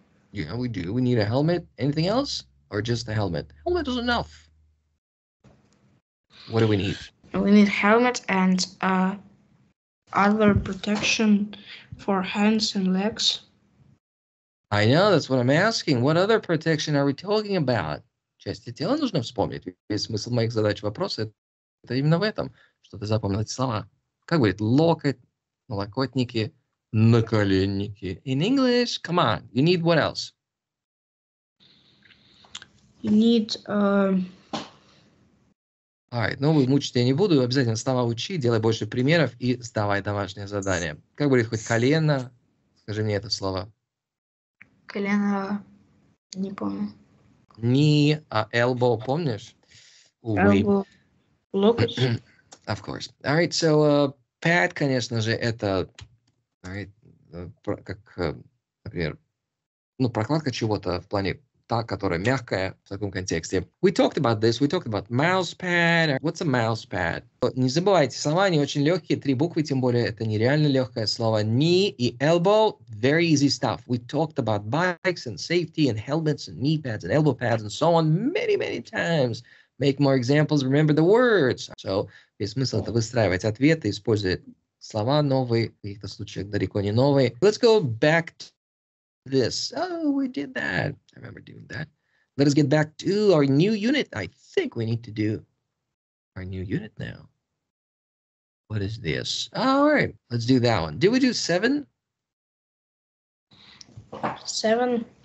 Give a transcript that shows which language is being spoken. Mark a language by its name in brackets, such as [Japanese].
[English] Yeah, we do. We need a helmet. Anything else? Or just a helmet? Helmet is enough. What do we need? We need helmet and other protection for hands and legs. I know, that's what I'm asking. What other protection are we talking about? [Russian] Части тела нужно вспомнить. Весь смысл моих задач вопроса это именно в этом. Что-то запомнить слова. Как говорит локоть, локотники, наколенники. [English] In English, come on, you need what else? You need... [Russian] Alright, ну, мучить я не буду, обязательно слова учи, делай больше примеров и сдавай домашнее задание. Как будет хоть колено? Скажи мне это слово. Колено, не помню. Knee, а elbow, помнишь? Elbow, локоть. [English] Of course. [Russian] Alright, so pad, конечно же, это, alright, как, например, ну, прокладка чего-то в плане... Та, которая мягкая в таком контексте. [English] We talked about this. We talked about mouse pad. What's a mouse pad? [Russian] Не забывайте, слова не очень легкие. Три буквы, тем более, это нереально легкое слово. [English] Knee и elbow. Very easy stuff. We talked about bikes and safety and helmets and knee pads and elbow pads and so on many, many times. Make more examples. Remember the words. [Russian] So, весь смысл это выстраивать ответы, использовать слова новые, в каких-то случаях далеко не новые. [English] Let's go back to... This. Oh, we did that. I remember doing that. Let us get back to our new unit. I think we need to do our new unit now. What is this? Oh, all right, let's do that one. Did we do 7? 7.